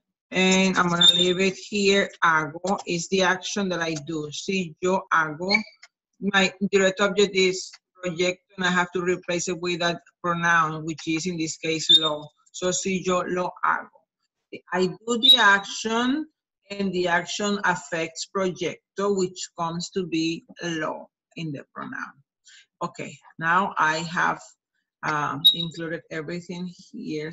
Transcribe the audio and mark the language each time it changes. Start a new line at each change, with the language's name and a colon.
English: And I'm going to leave it here. Hago is the action that I do.
Spanish: Sí, yo hago.
English: My direct object is proyecto. And I have to replace it with that pronoun, which is in this case lo. So,
Spanish: si yo lo hago.
English: I do the action, and the action affects proyecto, which comes to be lo in the pronoun. Okay, now I have included everything here.